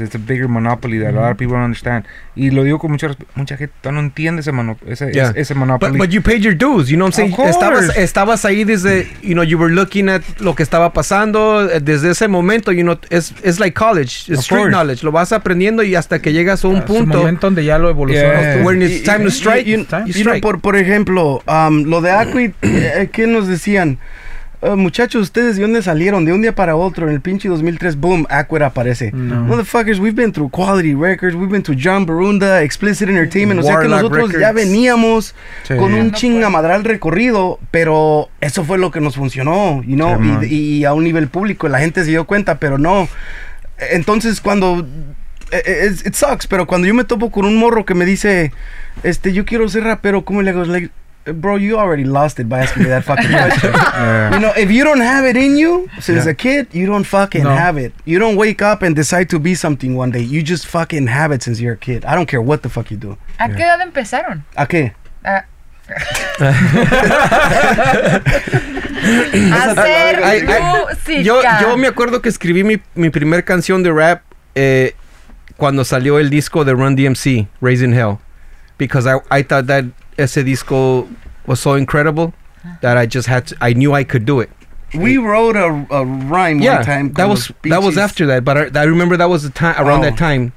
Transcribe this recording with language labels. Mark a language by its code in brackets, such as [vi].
[en] It's a bigger monopoly that a lot of people don't understand. [es] Y lo digo con mucha gente no entiende ese monopoly. [en] But you paid your dues, you know what I'm saying? [es] Estabas ahí desde, [en] you know, you were looking at [es] lo que estaba pasando desde ese momento, [en] you know, it's like college, it's street course. Knowledge. [es] Lo vas aprendiendo y hasta que llegas a un punto. Es un momento donde ya lo evolucionas. [en] Yeah. When it's time to strike. [es] Por ejemplo, lo de Acqui, ¿qué nos decían? Muchachos, ¿ustedes de dónde salieron? De un día para otro, en el pinche 2003, boom, Aquera aparece. No. [en] Motherfuckers, we've been through Quality Records, we've been through John Burunda, Explicit Entertainment. [es] Warlock, o sea que nosotros Records. Ya veníamos con un chingamadral recorrido, pero eso fue lo que nos funcionó, [en] you know, [es] y a un nivel público, la gente se dio cuenta, pero no. Entonces, cuando... [en] It sucks, [es] pero cuando yo me topo con un morro que me dice, yo quiero ser rapero, ¿cómo le hago? [en] Bro, you already lost it by asking me that fucking question. You know, if you don't have it in you since a kid, you don't fucking have it. You don't wake up and decide to be something one day. You just fucking have it since you're a kid. I don't care what the fuck you do. [es] ¿A qué edad empezaron? ¿A qué? Hacer música. Yo me acuerdo que escribí mi primer canción de rap cuando salió el disco de Run DMC, Raising Hell. [en] Because I thought that [es] ese disco [en] was so incredible that I just had to, I knew I could do it. We wrote a rhyme one time. That was after that, but I remember that was the time around that time.